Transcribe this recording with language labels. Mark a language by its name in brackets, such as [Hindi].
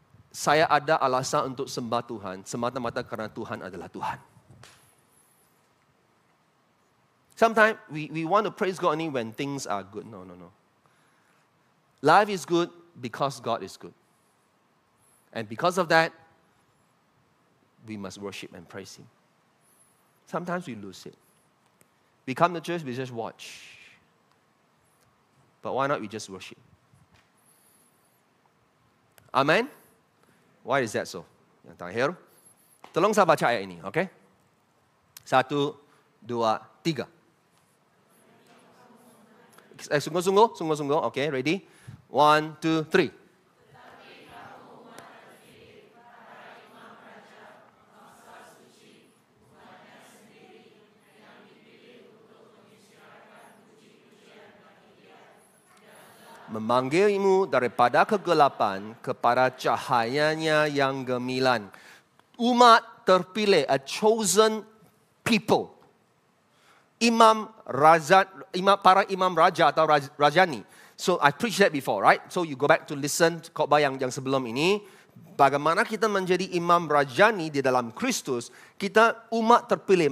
[Malay] Saya ada alasan untuk sembah Tuhan, semata-mata kerana Tuhan adalah Tuhan. [English] Sometimes we want to praise God only when things are good. No. Life is good because God is good. And because of that, we must worship and praise Him. Sometimes we lose it. We come to church, we just watch. But why not we just worship? [Malay] Amen? [English] Why is that so? [Malay] Yang terakhir, tolong saya baca ayat ini, okay? Satu, dua, tiga. Sungguh-sungguh, [English] okay, ready? One, two, three. [Malay] Memanggilmu daripada kegelapan kepada cahayanya yang gemilang. Umat terpilih, [English] a chosen people. [Malay] Imam Raja, imam, para imam raja atau rajani. [English] So I preached that before, right? So you go back to listen to [Malay] khotbah yang sebelum ini. Bagaimana kita menjadi imam rajani di dalam Kristus, kita umat terpilih.